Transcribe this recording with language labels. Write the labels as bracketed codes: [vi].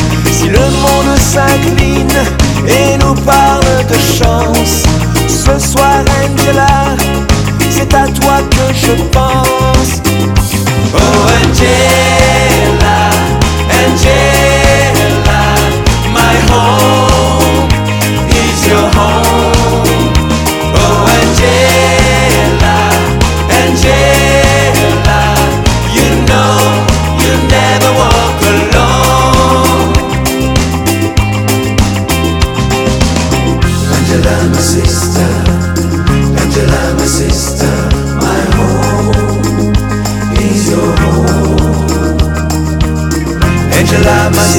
[fr] Si le monde s'incline et nous parle de chance, ce soir Angela, c'est à toi que je pense. [en] Oh Angela, Angela, my home is your home. Oh Angela, Angela,